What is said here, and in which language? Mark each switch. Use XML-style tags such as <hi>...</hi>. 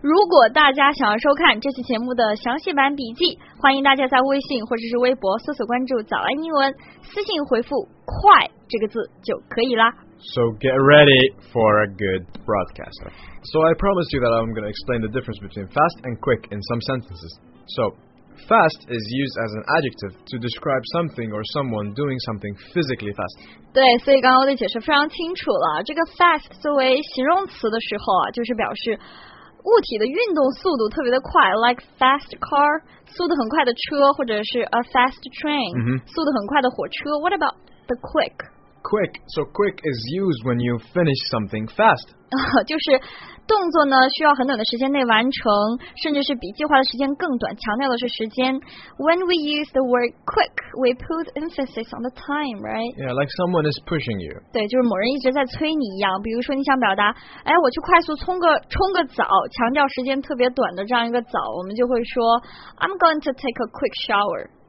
<zh>如果大家想要收看这期节目的详细版笔记欢迎大家在微信或者是微博搜索关注早安英文私信回复快这个字就可以啦</zh> <en>So get ready for a good broadcast So I promised you that I'm going to explain the difference between fast and quick in some sentences SoFast is used as an adjective to describe something or someone doing something physically fast.</en> <zh>对，所以刚刚我的解释非常清楚了。这个 fast 作为形容词的时候啊，就是表示物体的运动速度特别的快 ，</zh> <en>like fast car，</en> <zh>速度很快的车，或者是</zh> <en>a fast train，、 mm-hmm.</en> <zh>速度很快的火车。</zh> <en>What about the quick? Quick. So quick is used when you finish something fast.</en> <zh>就是。动作呢需要很短的时间内完成，甚至是比计划的时间更短，强调的是时间。</zh> <en>When we use the word quick, we put emphasis on the time, right? Yeah, like someone is pushing you.</en> <zh>对，就是某人一直在催你一样。比如说你想表达，哎，我去快速冲个澡，强调时间特别短的这样一个澡，我们就会说</zh> <en>I'm going to take a quick shower.</en>